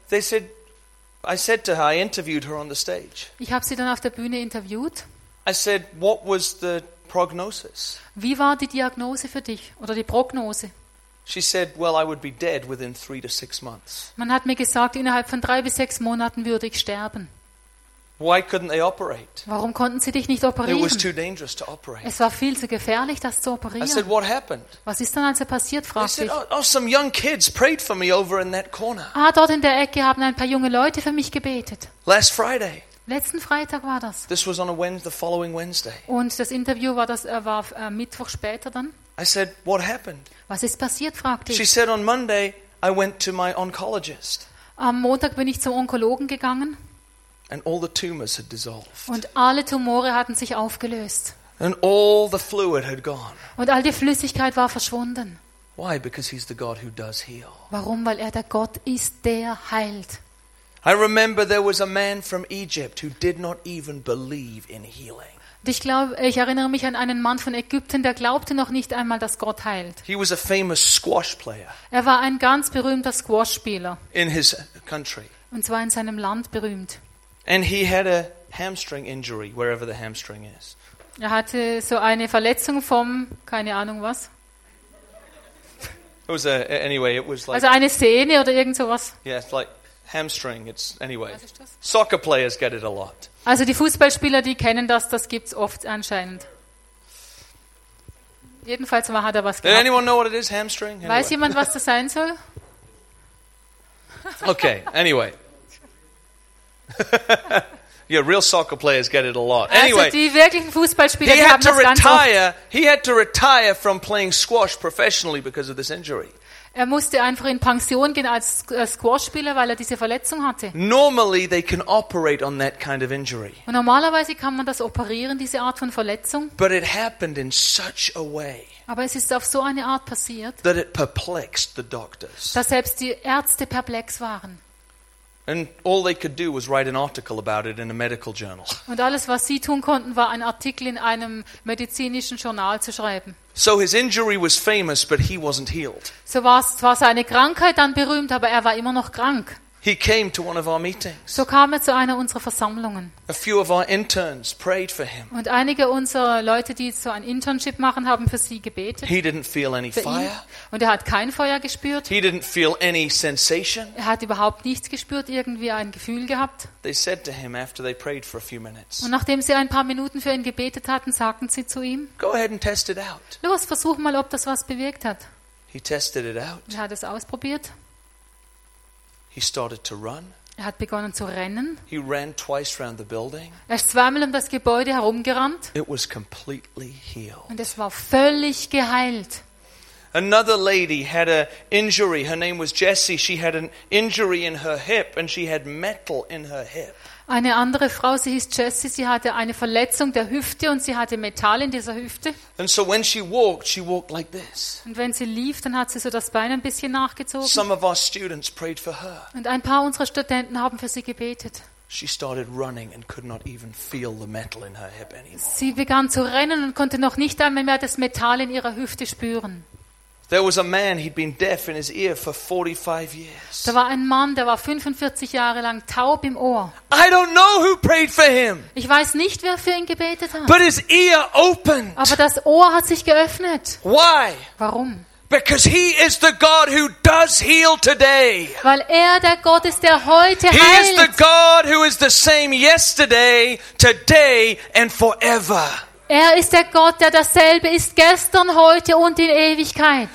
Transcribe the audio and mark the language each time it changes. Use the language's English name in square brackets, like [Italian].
[English] They said, I said to her, I interviewed her on the stage. [German] Ich habe sie dann auf der Bühne interviewt. [English] I said, what was the prognosis? [German] Wie war die Diagnose für dich oder die Prognose? [English] She said, well, I would be dead within 3 to 6 months. [German] Man hat mir gesagt, innerhalb von 3 bis 6 Monaten würde ich sterben. [English] Why couldn't they operate? [German] Warum konnten sie dich nicht operieren? [English] It was too dangerous to operate. [German] Es war viel zu gefährlich, das zu operieren. [English] I said, what happened? [German] Was ist dann also passiert, fragte ich. [English] Oh, some young kids prayed for me over in that corner. [German] Ah, dort in der Ecke haben ein paar junge Leute für mich gebetet. [English] Last Friday. [German] Letzten Freitag war das. [English] This was on a Wednesday, the following Wednesday. [German] Und das Interview war Mittwoch später dann. [English] I said, what happened? [German] Was ist passiert, fragte ich. [English] She said, on Monday, I went to my oncologist. [German] Am Montag bin ich zum Onkologen gegangen. [English] And all the tumors had dissolved. [German] Und alle Tumore hatten sich aufgelöst. [English] And all the fluid had gone. [German] Und all die Flüssigkeit war verschwunden. [English] Why? Because he's the God who does heal. [German] Warum? Weil er der Gott ist, der heilt. [English] I remember there was a man from Egypt who did not even believe in healing. [German] Ich erinnere mich an einen Mann von Ägypten, der glaubte noch nicht einmal, dass Gott heilt. [English] He was a famous squash player. [German] Er war ein ganz berühmter Squash-Spieler. [English] In his country. [German] Und zwar in seinem Land berühmt. [English] And he had a hamstring injury, wherever the hamstring is. [German] Er hatte so eine Verletzung vom, keine Ahnung was. [English] It was a, anyway, it was like, [German] also eine Sehne oder irgend sowas. [English] Yeah, it's like hamstring. It's anyway. Soccer players get it a lot. [German] Also die Fußballspieler, die kennen das. Das gibt's oft anscheinend. Jedenfalls mal hat er was gehabt. [English] Does anyone know what it is? Hamstring. [German] Anyway. Weiß jemand, was das sein soll? [English] Okay. Anyway. Yeah, real soccer players get it a lot. Anyway, [German] also die wirklichen Fußballspieler, die haben das [English] retire, [German] ganz oft. [English] He had to retire from playing squash professionally because of this injury. [German] Er musste einfach in Pension gehen als Squash-Spieler, weil er diese Verletzung hatte. [English] Normally they can operate on that kind of injury. [German] Und normalerweise kann man das operieren, diese Art von Verletzung. [English] But it happened in such a way. [German] Aber es ist auf so eine Art passiert. [English] That it perplexed the doctors. [German] Dass selbst die Ärzte perplex waren. [English] And all they could do was write an article about it in a medical journal. [German] Und alles, was sie tun konnten, war ein Artikel in einem medizinischen Journal zu schreiben. [English] So his injury was famous, but he wasn't healed. [German] So war seine Krankheit dann berühmt, aber er war immer noch krank. [English] He came to one of our meetings. [German] So kam er zu einer unserer Versammlungen. [English] A few of our interns prayed for him. [German] Und einige unserer Leute, die so ein Internship machen, haben für sie gebetet. [English] He didn't feel any fire. [German] Und er hat kein Feuer gespürt. [English] He didn't feel any sensation. [German] Er hat überhaupt nichts gespürt, irgendwie ein Gefühl gehabt. [English] They said to him after they prayed for a few minutes. [German] Und nachdem sie ein paar Minuten für ihn gebetet hatten, sagten sie zu ihm: [English] Go ahead and test it out. [German] Los, versuch mal, ob das was bewirkt hat. [English] He tested it out. [German] Er hat es ausprobiert. [English] He started to run. [German] Er hat begonnen zu rennen. [English] He ran twice around the building. [German] Er ist zweimal um das Gebäude herumgerannt. [English] It was completely healed. [German] Und es war völlig geheilt. [English] Another lady had an injury. Her name was Jessie. She had an injury in her hip and she had metal in her hip. [German] Eine andere Frau, sie hieß Jessie, sie hatte eine Verletzung der Hüfte und sie hatte Metall in dieser Hüfte. [English] And so when she walked like this. [German] Und wenn sie lief, dann hat sie so das Bein ein bisschen nachgezogen. [English] Some of our students prayed for her. [German] Und ein paar unserer Studenten haben für sie gebetet. [English] She started running and could not even feel the metal in her hip anymore. [German] Sie begann zu rennen und konnte noch nicht einmal mehr das Metall in ihrer Hüfte spüren. [English] There was a man, he'd been deaf in his ear for 45 years. [German] Da war ein Mann, der war 45 Jahre lang taub im Ohr. [English] I don't know who prayed for him. [German] Ich weiß nicht, wer für ihn gebetet hat. [English] But his ear opened. [German] Aber das Ohr hat sich geöffnet. [English] Why? [German] Warum? [English] Because he is the God who does heal today. [German] Weil er der Gott ist, der heute heilt. [English] He is the God who is the same yesterday, today and forever. [German] Er ist der Gott, der dasselbe ist gestern, heute und in Ewigkeit.